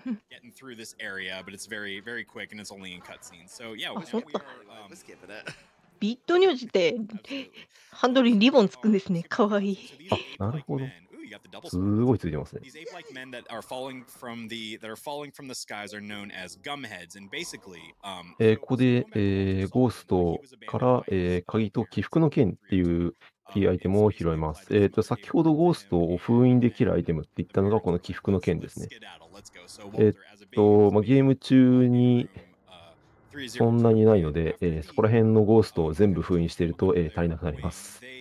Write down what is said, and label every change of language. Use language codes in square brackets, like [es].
[en] getting through this area, but it's very, very quick and it's only in cutscenes. So yeah, we're skipping it. [ja] ビットに落ちてハンドルにリボンつくんですね。かわいい。あ、なるほど。すごいついてますね。 [en] These ape-like men that are falling from the that are falling from the skies are known as gumheads, and basically, [ja] ここで、ゴーストから、鍵と起伏の剣っていうキーアイテムを拾えます。先ほどゴーストを封印できるアイテムって言ったのがこの起伏の剣ですね。まあ、ゲーム中にそんなにないので、そこら辺のゴーストを全部封印していると、足りなくなります。